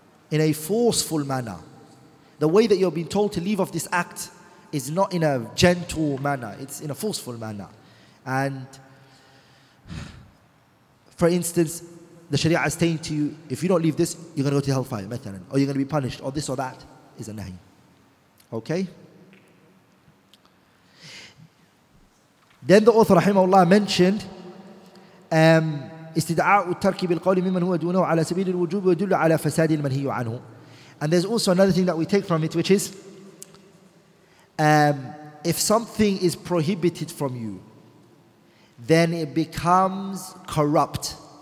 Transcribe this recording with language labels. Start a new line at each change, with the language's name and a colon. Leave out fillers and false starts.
English: In a forceful manner. The way that you're being told to leave off this act is not in a gentle manner. It's in a forceful manner. And for instance, the Sharia is saying to you, if you don't leave this, you're going to go to hellfire,
Arabic: مثلا,
English: or you're going to be punished, or this or that is a nahi. Okay? Then the author, rahimahullah, mentioned,
Arabic: استدعاء التركي بالقول ممن هو دونه على سبيل الوجوب ودل على فساد المنهي عنه.
English: And there's also another thing that we take from it, which is, if something is prohibited from you, then it becomes corrupt.